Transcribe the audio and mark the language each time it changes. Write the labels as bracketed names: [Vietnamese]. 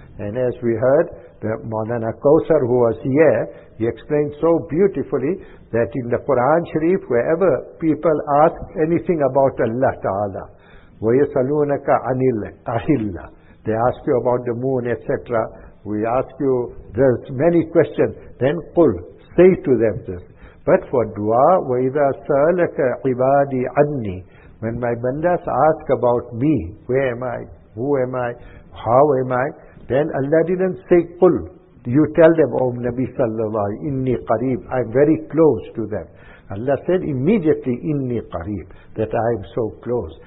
[English] And as we heard, the Maulana Kausar, who was here, he explained so beautifully that in the Quran Sharif, wherever people ask anything about Allah Ta'ala, [Arabic] وَيَسَلُونَكَ anil ahilla, [English] they ask you about the moon, etc. We ask you, there's many questions. Then قُلْ, say to them this, [Arabic] فتفو الدعاء وإذا سألك عبادي عني. [English] When my bandas ask about me, where am I, who am I, how am I, then Allah didn't say قل. You tell them, O Nabi sallallahu alayhi, [Arabic] inni qareeb, [English] I'm very close to them. Allah said immediately, [Arabic] inni qareeb, [English] that I am so close.